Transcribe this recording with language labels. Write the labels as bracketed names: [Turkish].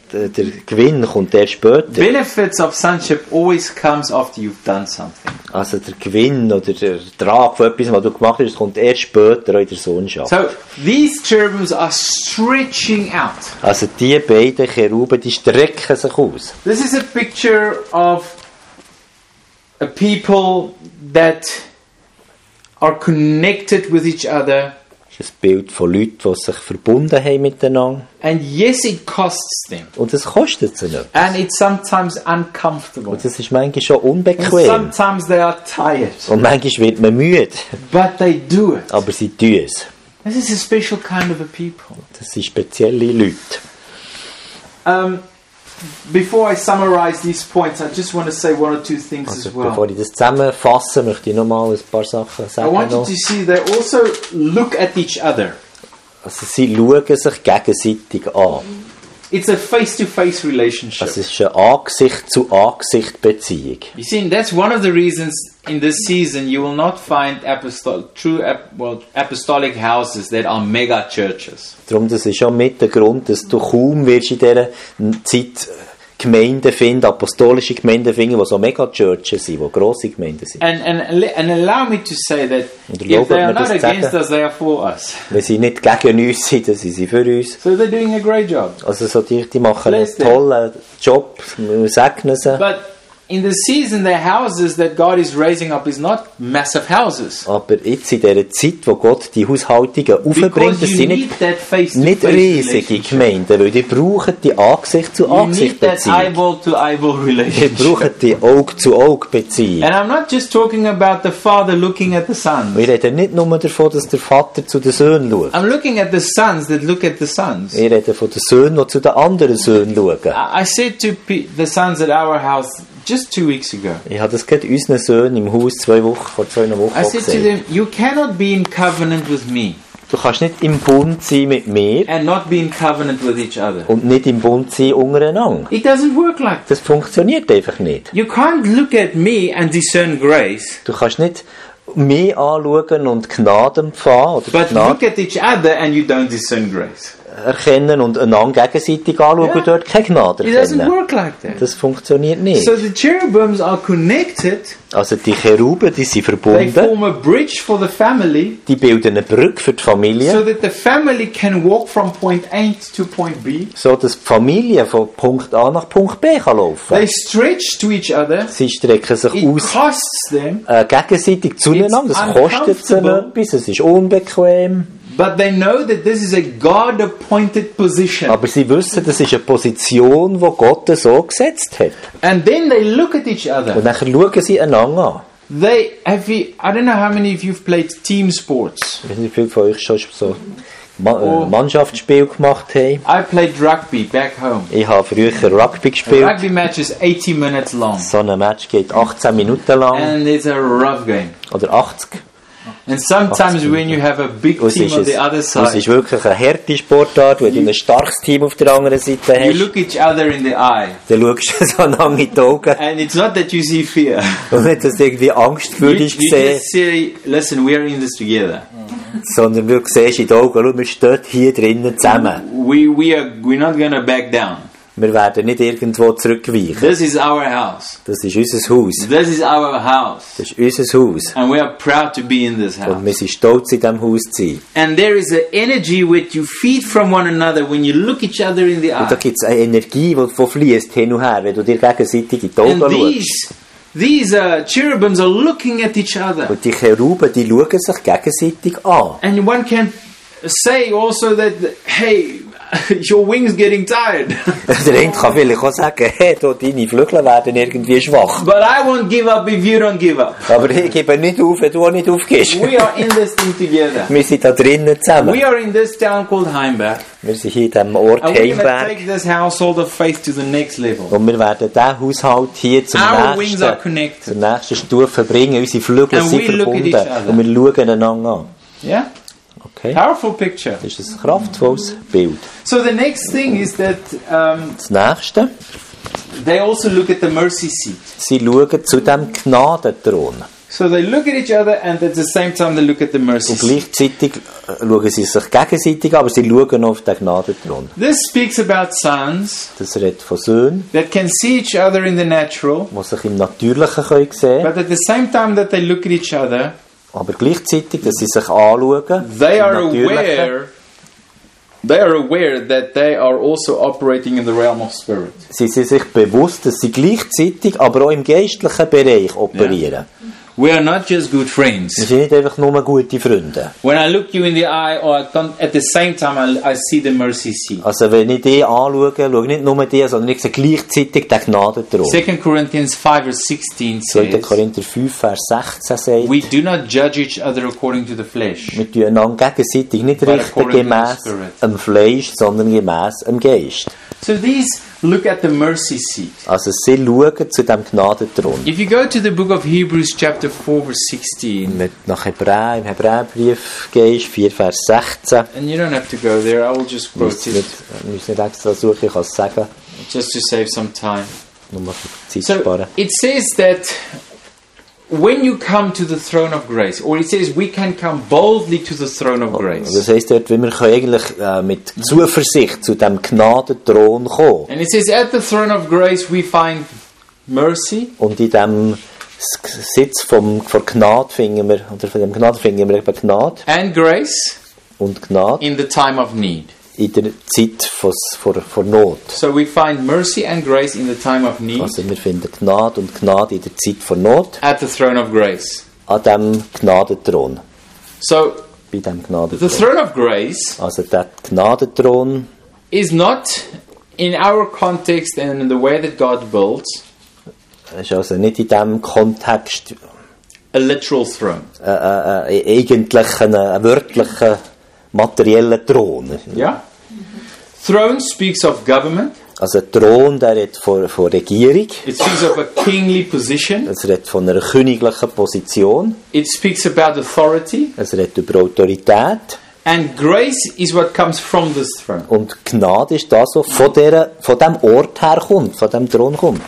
[German] Der Gewinn kommt erst später. [English] Benefits of sonship always comes after you've done something. [German] Also der Gewinn oder der Trag von etwas, was du gemacht hast, kommt erst später in der Sohnschaft. [English] So these cherubims are stretching out. [German] Also die beiden Cheruben, die strecken sich aus. [English] This is a picture of a people that are connected with each other. [German] Das Bild von Leuten, die sich verbunden haben miteinander. [English] And yes, it costs them. [German] Und es kostet sie nicht. [English] And it's sometimes uncomfortable. [German] Und es ist manchmal schon unbequem. [English] And sometimes they are tired. [German] Und manchmal wird man müde. [English] But they do it. [German] Aber sie tun es. [English] This is a special kind of a people. [German] Das sind spezielle Leute. [English] Before I summarize these points, I just want to say one or two things also, as well. [German] Bevor ich das zusammenfasse, möchte ich nochmal ein paar Sachen sagen. [English] I want you to see they also look at each other. [German] Also sie schauen sich gegenseitig an. [English] It's a face-to-face relationship. [German] Also, es ist eine Angesicht-zu-Angesicht-Beziehung. [English] You see, that's one of the reasons in this season you will not find apostolic houses that are mega churches. [German] Darum, das ist schon mit der Grund, dass du kaum wirst in dieser Zeit Gemeinden finden, apostolische Gemeinden finden, die so mega Churches sind, die grosse Gemeinden sind. [English] And allow me to say that if they are not against us, they are for us. [German] Wenn sie nicht gegen uns sind, dann sind sie für uns. [English] So they're doing a great job. [German] Also so die machen einen tollen Job, wir segnen sie. [English] But in the season, the houses that God is raising up is not massive houses. [German] Aber jetzt in dieser Zeit, wo Gott die Haushaltungen aufbringt, das sind nicht riesige Gemeinden, weil die brauchen die Angesicht-zu-Angesicht-Beziehung. Die brauchen die Auge-zu-Auge-Beziehung. [English] And I'm not just talking about the father looking at the sons. [German] Wir reden nicht nur davon, dass der Vater zu den Söhnen schaut. [English] I'm looking at the sons that look at the sons. [German] Wir reden von den Söhnen, die zu den anderen Söhnen schauen. [English] I said to the sons at our house, just 2 weeks ago. [German] Ich habe das gerade unseren Söhnen im Haus vor zwei Wochen [English] I said to them, you cannot be in covenant with me. [German] Du kannst nicht im Bund sein mit mir. [English] And not be in covenant with each other. [German] Und nicht im Bund sein untereinander. [English] It doesn't work like that. [German] Das funktioniert einfach nicht. [English] You can't look at me and discern grace. [German] Du kannst nicht mich anschauen und Gnade empfangen. [English] But look at each other and you don't discern grace. [German] Erkennen und einander gegenseitig anschauen, yeah. Dort keine Gnade erkennen. Das funktioniert nicht. [English] So the cherubims are connected. [German] Also die Cheruben, die sind verbunden. [English] They form a bridge for the family, [German] die bilden eine Brücke für die Familie. [English] So that the family can walk from point A to point B. [German] So dass die Familie von Punkt A nach Punkt B kann laufen. [English] They stretch to each other. [German] Sie strecken sich [English] it [German] aus. [English] Costs them. [German] Gegenseitig zueinander. Das kostet sie etwas. Es ist unbequem. [English] But they know that this is a God-appointed position. [German] Aber sie wissen, das ist eine Position, die Gott so gesetzt hat. [English] And then they look at each other. [German] Und dann schauen sie einander an. [English] I don't know how many of you have played team sports. [German] Ich weiß nicht, wie viele von euch schon so Mannschaftsspiel gemacht haben. [English] I played rugby back home. [German] Ich habe früher Rugby gespielt. [English] A rugby match is 80 minutes long. [German] So ein Match geht 18 Minuten lang. [English] And it's a rough game. [German] Oder 80. [English] And sometimes when you have a big team on the other side. [German] Es ist wirklich eine harte Sportart, wenn du ein starkes Team auf der anderen Seite hast. [English] You look each other in the eye. [German] Dann schaust du so lange in die Augen. [English] And it's not that you see fear. [German] Und nicht, dass du irgendwie Angst für dich sehen. [English] You just say, listen, we are in this together. [German] Sondern du siehst in die Augen, schau, wir stehen hier drinnen zusammen. [English] We're not going to back down. [German] Wir werden nicht irgendwo zurückweichen. [English] This is our house. [German] Das ist unser Haus. [English] This is our house. [German] Das ist unser Haus. [English] And we are proud to be in this house. [German] Und wir sind stolz, in diesem Haus zu sein. [English] And there is an energy which you feed from one another when you look each other in the eye. [German] Und da gibt's eine Energie, die fließt hin und her, wenn du dir gegenseitig in die Augen schaust. [English] These cherubims are looking at each other. [German] Und die Cheruben, die schauen sich gegenseitig an. [English] And one can say also that, hey, your wings getting tired. [German] Der Ent kann vielleicht auch sagen, hey, deine Flügel werden irgendwie schwach. [English] But I won't give up if you don't give up. [German] Aber ich gebe nicht auf, wenn du auch nicht aufgehst. [English] We are in this thing together. [German] Wir sind da drinnen zusammen. [English] We are in this town called Heimberg. [German] Wir sind hier in diesem Ort Heimberg. [English] Take this household of faith to the next level. [German] Und wir werden diesen Haushalt hier zur nächsten Stufe bringen. Unsere Flügel [English] and [German] sind verbunden. Und wir schauen einander an. [English] Yeah? Okay. Powerful picture. [German] Das ist ein kraftvolles Bild. [English] So the next thing is that [German] das nächste. [English] They also look at the mercy seat. [German] Sie schauen zu dem Gnadenthron. [English] So they look at each other and at the same time they look at the mercy seat. [German] Und gleichzeitig schauen sie sich gegenseitig, aber sie schauen auf den Gnadenthron. [English] This speaks about sons. [German] Das redet von Söhnen. [English] That can see each other in the natural. [German] Die sich im Natürlichen können sehen. [English] But at the same time that they look at each other. [German] Aber gleichzeitig, dass sie sich anschauen, [English] they are aware. They are aware that they are also operating in the realm of spirit. [German] Sie sind sich bewusst, dass sie gleichzeitig, aber auch im geistlichen Bereich operieren. [English] Yeah. We are not just good friends. [German] Wir sind nicht einfach nur gute Freunde. [English] When I look you in the eye, or at the same time I see the mercy seat. [German] Also wenn ich dich anschaue, schaue ich nicht nur dich, sondern ich sehe gleichzeitig den Gnadenthron. [English] 2 Corinthians 5, verse 16 says. [German] 2 Korinther 5, Vers 16 sagt. [English] We do not judge each other according to the flesh. [German] Wir tun einander gegenseitig nicht richten gemäß dem Fleisch, sondern gemäß dem Geist. [English] So these look at the mercy seat. [German] Also sie schauen zu dem Gnadenthron. [English] If you go to the book of Hebrews chapter 4 verse 16. [German] Mit nach Hebräer, im Hebräerbrief gehst, 4 Vers 16. [English] And you don't have to go there, I will just quote it. [German] Müssen nicht extra suchen, ich kann es sagen. [English] Just to save some time. [German] Nur mal Zeit sparen. [English] So it says that when you come to the throne of grace, or it says we can come boldly to the throne of grace. [German] Das heißt dort, wir können eigentlich mit Zuversicht zu dem Gnadenthron kommen. [English] And it says at the throne of grace we find mercy. [German] Und in dem Sitz von Gnade finden wir, oder von dem Gnade finden wir eben Gnade. [English] And grace. [German] Und Gnade. [English] In the time of need. [German] in der Zeit von Not. [English] So we find mercy and grace in the time of need. [German] Also wir finden Gnade und Gnade in der Zeit von Not. [English] At the throne of grace. [German] An dem Gnadenthron. [English] So [German] bei dem Gnadenthron. [English] The throne of grace. [German] Also der Gnadenthron. [English] Is not in our context and in the way that God built. [German] Ist also nicht in dem Kontext. [English] A literal throne. [German] Eigentlich ein wörtlicher materielle Thron. [English] Ja. Throne speaks of government. [German] Also ein Thron, der redet von Regierung. [English] It speaks of a kingly position. [German] Es redet von einer königlichen Position. [English] It speaks about authority. [German] Es redet über Autorität. [English] And grace is what comes from this throne. [German] Und Gnade ist das, was von dem Ort herkommt, von dem Thron kommt.